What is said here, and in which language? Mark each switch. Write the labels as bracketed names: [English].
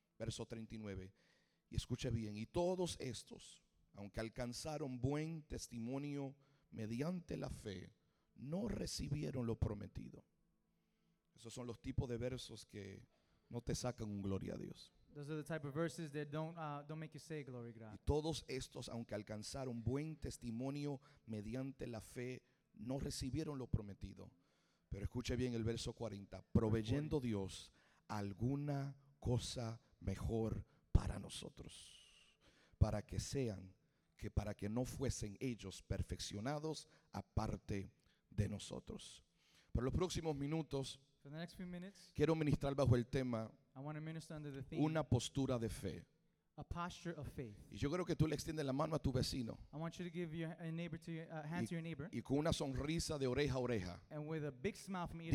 [Spanish] Verso 39, y escuche bien, y todos estos, aunque alcanzaron buen testimonio mediante la fe, no recibieron lo prometido. Esos son los tipos de versos que no te sacan un gloria a Dios. [English] Those are the type of verses that don't make you say glory to God. [Spanish] Y todos estos, aunque alcanzaron buen testimonio mediante la fe, no recibieron lo prometido, Pero escuche bien el verso 40. Proveyendo Dios alguna cosa mejor para nosotros, para que sean, que para que no fuesen ellos perfeccionados aparte de nosotros. Por los próximos minutos, [English] for the next few minutes, [Spanish] quiero ministrar bajo el tema, [English] I want to minister under the theme, [Spanish] una postura de fe. [English] A posture of faith. [Spanish] Y yo creo que tú le extiendes la mano a tu vecino. [English] I want you to give your neighbor to hand [Spanish] y, [English] to your neighbor. [Spanish] Y con una sonrisa de oreja a oreja. [English] And with a big smile from ear to